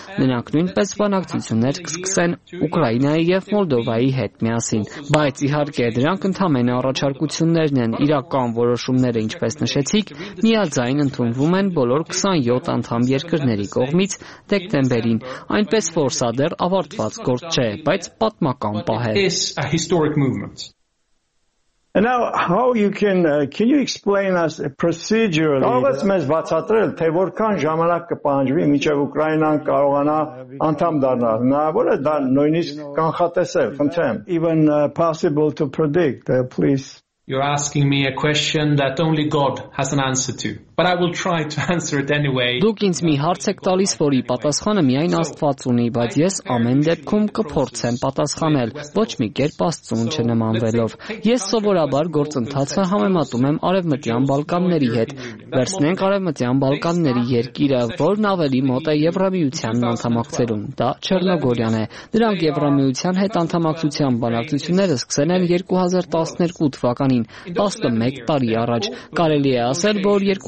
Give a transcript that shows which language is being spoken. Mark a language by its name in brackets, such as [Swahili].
[Armenian] նրանք նույնպես բանակցություններ կսկսեն Ուկրաինայի եւ Մոլդովայի հետ միասին։ Բայց իհարկե դրանք ընդհանեն առաջարկություններն են, իրական որոշումները, ինչպես նշեցիք, միաձայն ընդունվում են բոլոր 27 անդամ երկրների կողմից դեկտեմբերին, այնպես որ սա դեռ ավարտված գործ չէ, բայց պատմական պահ է։ [English] And now how you can you explain us procedurally? [Armenian] Կարո՞ղ ես բացատրել, թե որքան ժամանակ կպահանջվի, մինչև Ուկրաինան կարողանա անդամ դառնալ։ Հնարավոր է դա նույնիսկ կանխատեսել, խնդրեմ։ [English] Even possible to predict, please. You're asking me a question that only God has an answer to, but I will try to answer it anyway. [Armenian] Դուք ինձ մի հարց եք տալիս, որի պատասխանը միայն Աստված ունի, բայց ես ամեն դեպքում կփորձեմ պատասխանել, ոչ մի կերպ Աստծուն չնմանվելով։ Ես սովորաբար գործընթացը համեմատում եմ Արևմտյան Բալկանների հետ։ Վերցնենք Արևմտյան Բալկանների երկիրը, որն ավելի մոտ է Եվրամիության անդամակցելուն, դա Չեռնոգորիան է։ Նրանք Եվրամիության հետ անդամակցության բանակցությունները սկսել են 2012 թվականին, 11 տարի առաջ։ Կարելի է ասել, որ